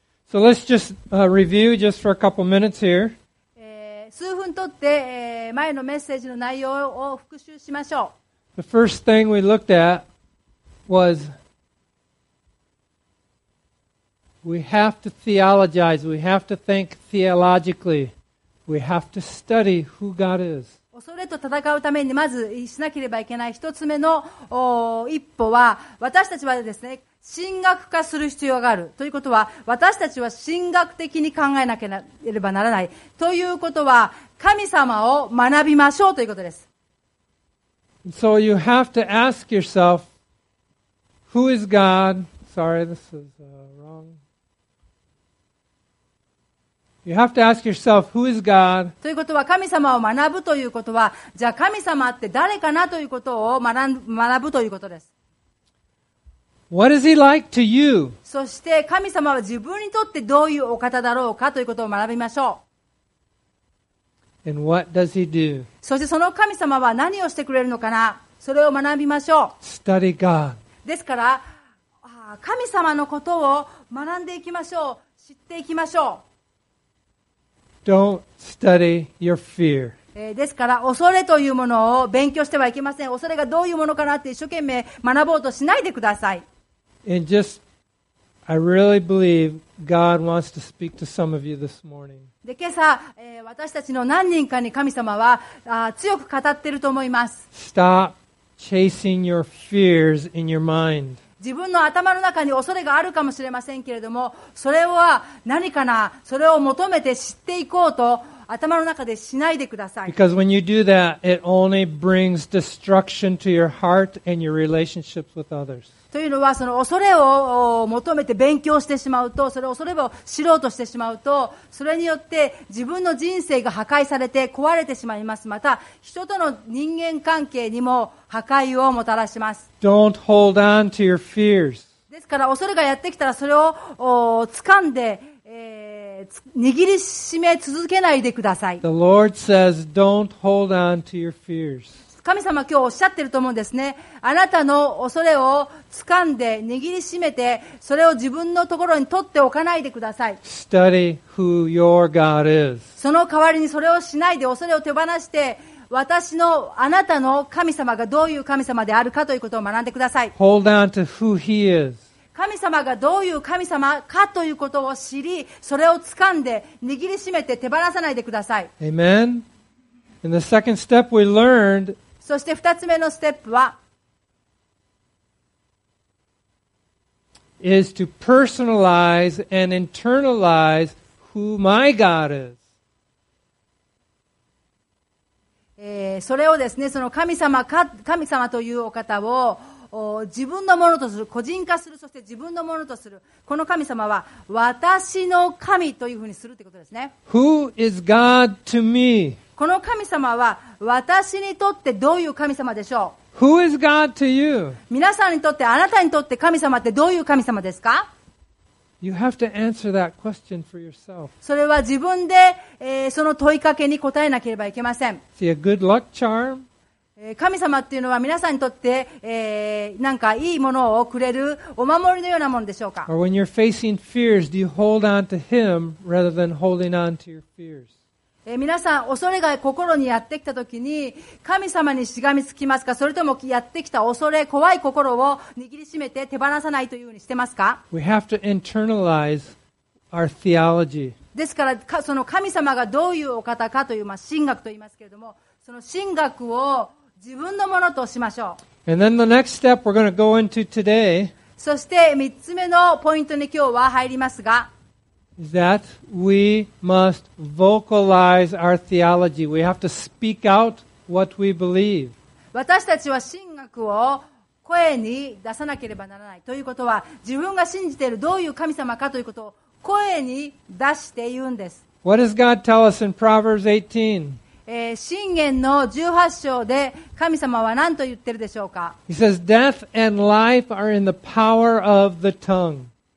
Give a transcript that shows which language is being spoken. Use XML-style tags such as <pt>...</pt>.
<en>So let's just review just for a couple minutes here.</en> <ja>数分とって、前のメッセージの内容を復習しましょう。</ja> <en>The first thing we looked at was we have to theologize, we have to think theologically, we have to study who God is.</en> <ja>恐れと戦うためにまずしなければいけない一つ目の一歩は私たちはですね神学化する必要があるということは私たちは神学的に考えなければならないということは神様を学びましょうということです。</ja> <en>So you have to ask yourself who is God? Sorry, this is wrong. You have to ask yourself, who is God?</en> <ja>ということは神様を学ぶということはじゃあ神様って誰かなということを学ぶということです。</ja> <en>What is he like to you?</en> <ja>そして神様は自分にとってどういうお方だろうかということを学びましょう。</ja> <en>And what does he do?</en> <ja>そしてその神様は何をしてくれるのかなそれを学びましょう。</ja> <en>Study God.</en> <ja>ですから神様のことを学んでいきましょう。知っていきましょう。</ja> <en>Don't study your fear.</en> <ja>ですから恐れというものを勉強してはいけません。恐れがどういうものかなって一生懸命学ぼうとしないでください。</ja> <en>And just, I really believe God wants to speak to some of you this morning.</en> <ja>で今朝、私たちの何人かに神様は強く語っていると思います。</ja> <en>Stop chasing your fears in your mind.</en> <ja>自分の頭の中に恐れがあるかもしれませんけれども、それは何かな、それを求めて知っていこうと頭の中でしないでください。</ja> <en>Because when you do that, it only brings destruction to your heart and your relationships with others.</en> <ja>というのは、その恐れを求めて勉強してしまうと、それを恐れを知ろうとしてしまうと、それによって自分の人生が破壊されて壊れてしまいます。また、人との人間関係にも破壊をもたらします。</ja> <en>Don't hold on to your fears.</en> <ja>ですから、恐れがやってきたらそれを掴んで、握りしめ続けないでください。</ja> <en>The Lord says, don't hold on to your fears.</en> <ja>神様は今日おっしゃってると思うんですね。あなたの恐れを掴んで握りしめて、それを自分のところに取っておかないでください。</ja> <en>Study who your God is.</en> <ja>その代わりにそれをしないで恐れを手放して、私のあなたの神様がどういう神様であるかということを学んでください。</ja> <en>Hold on to who He is.</en> <ja>神様がどういう神様かということを知り、それを掴んで握りしめて手放さないでください。</ja> <en>Amen. And the second step we learned</en> <ja>そして二つ目のステップは、</ja> <en>is to personalize and internalize who my God is.</en> <ja>それをですね、その神様というお方を自分のものとする、個人化する、そして自分のものとする、この神様は私の神というふうにするということですね。</ja> <en>Who is God to me?</en> <ja>この神様は私にとってどういう神様でしょう。</ja> <en>Who is God to you?</en> <ja>皆さんにとって、あなたにとって神様ってどういう神様ですか。</ja> <en>You have to answer that question for yourself.</en> <ja>それは自分で、その問いかけに答えなければいけません。</ja> <en>See a good luck charm?</en> <ja>神様っていうのは皆さんにとって、なんかいいものをくれるお守りのようなものでしょうか。</ja> <en>Or when you're facing fears, do you hold on to him rather than holding on to your fears?</en> <ja>皆さん、恐れが心にやってきたときに神様にしがみつきますか、それともやってきた恐れ、怖い心を握りしめて手放さないというふうにしてますか。</ja> <en>We have to internalize our theology.</en> <ja>ですから、その神様がどういうお方かという、まあ、神学と言いますけれども、その神学を自分のものとしましょう。</ja> <en>And then the next step we're going to go into today,</en> <ja>そして3つ目のポイントに今日は入りますが、</ja> <en>is that we must vocalize our theology. We have to speak out what we believe.</en> <ja>私たちは神学を声に出さなければならない。ということは、自分が信じているどういう神様かということを声に出して言うんです。</ja> <en>What does God tell us in Proverbs 18?</en> <ja>箴言の18章で神様は何と言ってるでしょうか。</ja> <en>He says, death and life are in the power of the tongue.</en>